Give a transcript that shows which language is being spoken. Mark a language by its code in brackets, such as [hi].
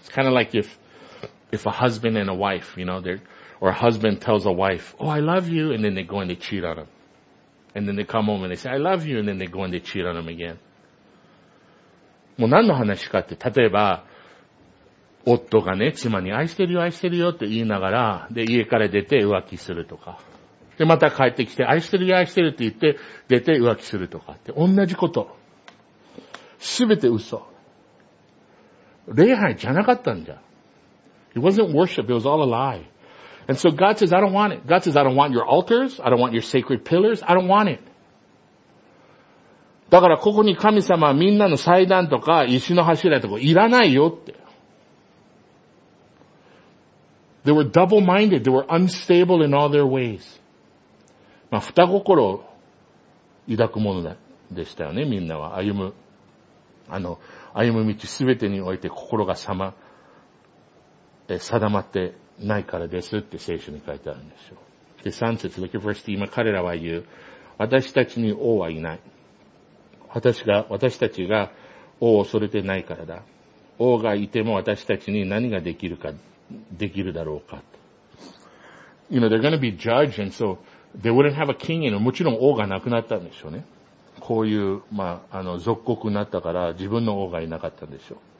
[en] It's kind of like if a husband and a wife, you know, or a husband tells a wife, oh, I love you, and then they go and they cheat on him. And then they come home and they say, I love you, and then they go and they cheat on him again. [ja] もう何の話かって、例えば、夫がね、妻に愛してるよ、愛してるよって言いながら、で、家から出て浮気するとか。で、また帰ってきて、愛してるよ、愛してるって言って、出て浮気するとかって、同じこと。すべて嘘。礼拝じゃなかったんじゃ。 [en] It wasn't worship, it was all a lie. And so God says, I don't want it. God says, I don't want your altars, I don't want your sacred pillars, I don't want it. [ja] だからここに神様はみんなの祭壇とか石の柱とかいらないよって。 [en] They were double-minded, they were unstable in all their ways. [ja] まあ、二心を抱くものでしたよね、みんなは。歩む道すべてにおいて心が定まってないからですって聖書に書いてあるんですよ。で、三節、 [en] look at verse [ja] 今彼らは言う、私たちに王はいない。私たちが王を恐れてないからだ。王がいても私たちに何ができるか、できるだろうかと。 [en] You know, they're going to be judged and so they wouldn't have a king anymore. [ja] もちろん王がなくなったんでしょうね。こういう、まあ、属国になったから自分の王がいなかったんでしょう。